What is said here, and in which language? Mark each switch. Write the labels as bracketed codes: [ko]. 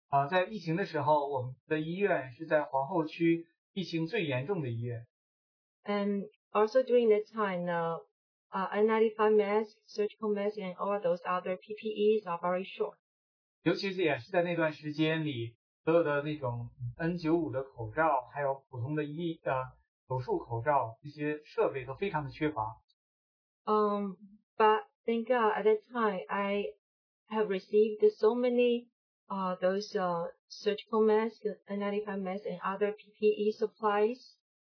[zh] 在疫情的时候，我们的医院是在皇后区疫情最严重的医院。And [en] also during that time, N95 mask, surgical mask, and all those other PPEs are very short. [zh] 尤其是也是在那段时间里。所有的那种N95的口罩，还有普通的手术口罩，这些设备都非常的缺乏。 [en] But thank God at that time I have received so many those surgical masks, N95 masks, and other PPE supplies.